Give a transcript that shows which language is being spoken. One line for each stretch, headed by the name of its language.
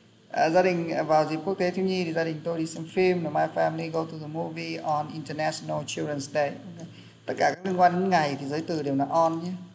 Vietnamese: À, gia đình vào dịp quốc tế thiếu nhi thì gia đình tôi đi xem phim.
English: My family go to the movie on International Children's Day. Okay.
Vietnamese: Tất cả các liên quan đến ngày thì giới từ đều là on nhé.